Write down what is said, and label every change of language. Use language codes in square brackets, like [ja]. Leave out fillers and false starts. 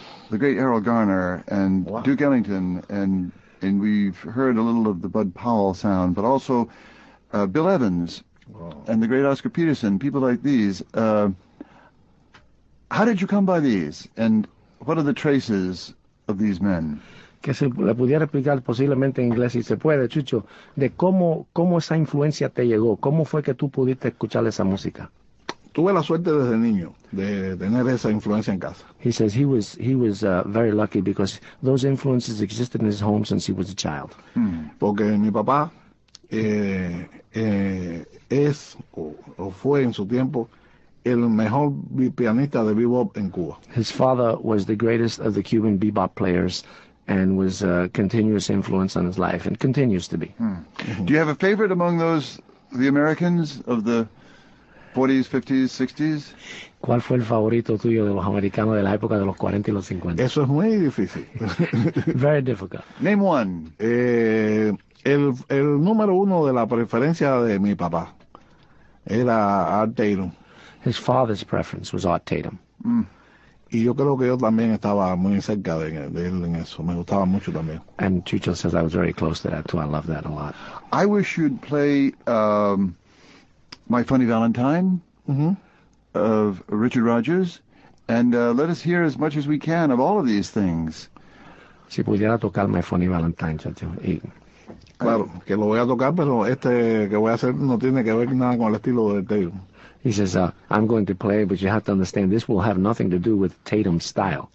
[en] the great Errol Garner and Duke Ellington, and we've heard a little of the Bud Powell sound, but also Bill Evans and the great Oscar Peterson, people like these. How did you come by these, and what are the traces of these men? [es] Que se le pudiera explicar posiblemente en inglés, si se puede, Chucho, de cómo esa influencia te llegó, cómo fue que tú pudiste escuchar esa música. Tuve la suerte desde niño de tener esa influencia en casa. [en] He says he was very lucky because those influences existed in his home since he was a child. [es] Porque mi papá es o fue en su tiempo el mejor pianista de bebop en Cuba. [en] His father was the greatest of the Cuban bebop players and was a continuous influence on his life and continues to be. Do you have a favorite among those, the Americans of the 40s, 50s, 60s? [es] ¿Cuál fue el favorito tuyo de los americanos de la época de los 40 y los 50? Eso es muy difícil. [en] Very difficult. Name one. [es] El número uno de la preferencia de mi papá era Art Tatum. [en] His father's preference was Art Tatum. [es] Y yo creo que yo también estaba muy cerca de él en eso. Me gustaba mucho también. [en] And Chucho says I was very close to that, too. I love that a lot. I wish you'd play My Funny Valentine of Richard Rodgers. And let us hear as much as we can of all of these things. [es] Si pudiera tocar My Funny Valentine, Chucho. Claro, que lo voy a tocar, pero este que voy a hacer no tiene que ver nada con el estilo de Tatum. [en] He says, I'm going to play, but you have to understand, this will have nothing to do with Tatum's style.